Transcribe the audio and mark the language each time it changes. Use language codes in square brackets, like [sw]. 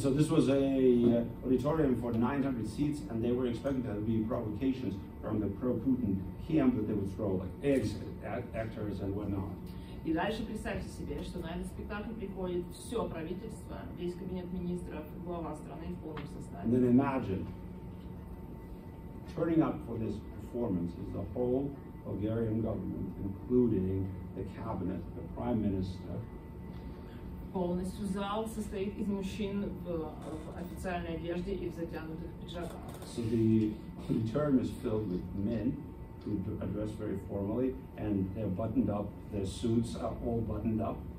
[en] And so this was a auditorium for 900 seats, and they were expecting there to be provocations from the pro-Putin camp, that they would throw like eggs at actors and whatnot. [ru] И дальше представьте себе, что на этот спектакль приходит все правительство, весь кабинет министров, глава страны в полном составе. [en] And then imagine, turning up for this performance is the whole Bulgarian government, including the cabinet, the prime minister. [ru] Полностью зал состоит из мужчин в официальной одежде и в затянутых пиджаках. [en] So the auditorium is filled with men, to address very formally, and they're buttoned up, their suits are all buttoned up.